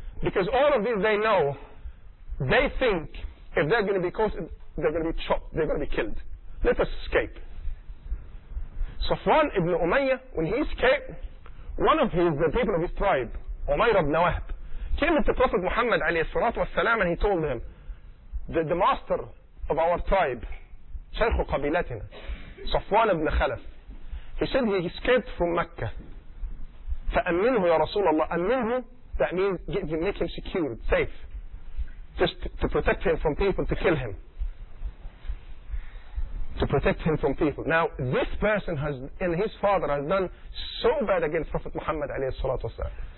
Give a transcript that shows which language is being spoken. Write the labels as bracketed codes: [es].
[en] Because all of these, they know, they think, if they're going to be caught, they're going to be chopped, they're going to be killed. Let us escape. Safwan ibn Umayyah, when he escaped, one of the people of his tribe, Umayr ibn Wahb, came to Prophet Muhammad alayhi salatu wasalam and he told him, the master of our tribe, [ar] شيخ قبيلتنا, [en] صفوان بن خلف. He said he escaped from Mecca. [ar] فأمنه يا رسول الله. أمنه, [en] that means make him secured, safe, just to protect him from people, to kill him, to protect him from people. Now this person has, and his father has done so bad against Prophet Muhammad عليه الصلاة والسلام.